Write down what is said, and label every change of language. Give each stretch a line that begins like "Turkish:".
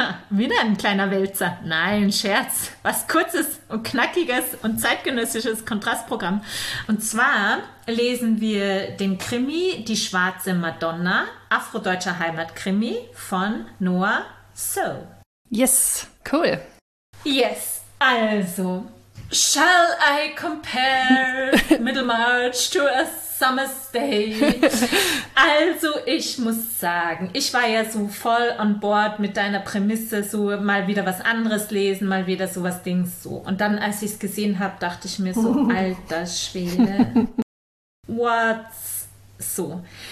German: Wieder ein kleiner Wälzer. Nein, Scherz. Was Kurzes und Knackiges und zeitgenössisches Kontrastprogramm. Und zwar lesen wir den Krimi Die schwarze Madonna, afrodeutscher Heimatkrimi von Noah So.
English: Yes, cool.
German: Yes, also.
English: Shall I compare Middlemarch to a Summer's Day?
German: Also, ich muss sagen, ich war ja so voll on board mit deiner Prämisse, so mal wieder was anderes lesen, mal wieder sowas Dings so. Und dann, als ich es gesehen habe, dachte ich mir so, alter Schwede, what's so?